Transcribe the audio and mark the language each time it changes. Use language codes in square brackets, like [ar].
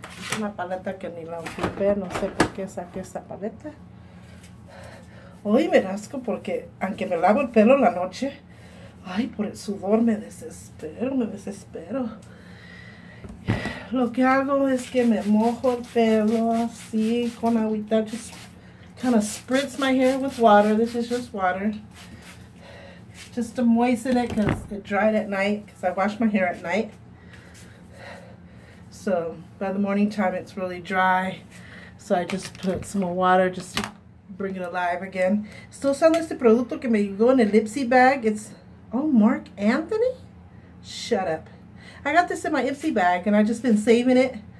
[es] Es una paleta que ni la ocupé. No sé por qué saqué esta paleta. Hoy me rasco porque aunque me lavo el pelo en la noche, ay, por el sudor me desespero. Lo que hago es que me mojo el pelo así con agüita. [en] Just kind of spritz my hair with water. This is just water. Just to moisten it because it dried at night. Because I wash my hair at night. So by the morning time it's really dry. So I just put some more water just to bring it alive again. [es] Estoy usando este producto que me llegó en el Lipsy bag. [en] It's, oh, Mark Anthony? Shut up. I got this in my Ipsy bag, and I've just been saving it.